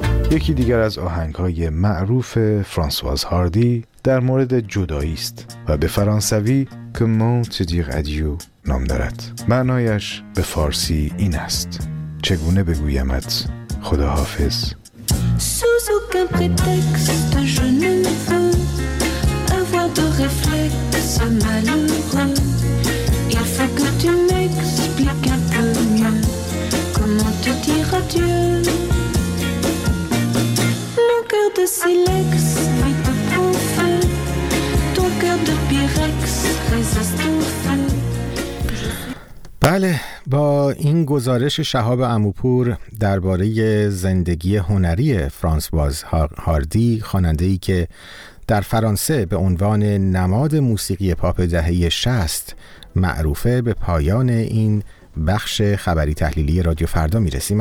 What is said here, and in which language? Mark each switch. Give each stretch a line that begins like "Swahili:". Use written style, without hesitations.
Persian: یکی دیگر از آهنگ‌های معروف فرانسواز هاردی در مورد جدایی است و به فرانسوی
French: Comment te dire adieu
Persian: نام دارد. معنایش به فارسی این است: چگونه بگویمت خداحافظ.
French: Sous aucun prétexte je ne veux avoir de réflexes malheureux. Il faut que tu m'expliques un peu mieux comment te dire adieu. Mon cœur de silex vit de bon feu. Ton cœur de pyrex résiste au feu.
Persian: بله، با این گزارش شهاب عموپور درباره زندگی هنری فرانسواز هاردی، خواننده‌ای که در فرانسه به عنوان نماد موسیقی پاپ دهه 60 معروفه، به پایان این بخش خبری تحلیلی رادیو فردا میرسیم.